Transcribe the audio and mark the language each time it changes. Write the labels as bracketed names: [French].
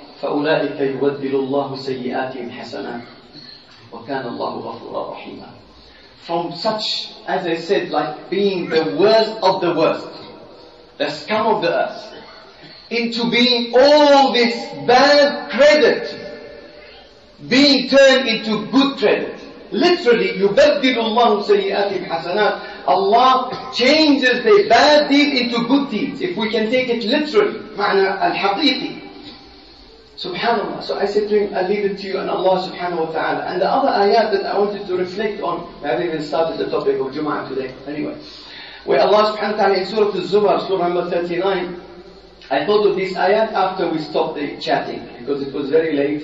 [Arabic] فَأُولَٰئِكَ يُوَدِّلُ اللَّهُ سَيِّئَاتِهِمْ حَسَنًا. وَكَانَ اللَّهُ غَفُورًا رَحِيمًا. [English] From such, as I said, like being the worst of the worst, the scum of the earth, into being all this bad credit, being turned into good credit. Literally, [Arabic] يُبَدِّلُ اللَّهُ سَيِّئَاتِهِمْ حَسَنَاتٍ. [English] Allah changes the bad deeds into good deeds. If we can take it literally, [Arabic] معنى الحقيقي. [English] SubhanAllah. So I said to him, I leave it to you and Allah subhanahu wa ta'ala. And the other ayat that I wanted to reflect on, I haven't even started the topic of Jum'ah today. Anyway, where Allah subhanahu wa ta'ala in Surah Al-Zumar, Surah number 39, I thought of this ayat after we stopped the chatting because it was very late.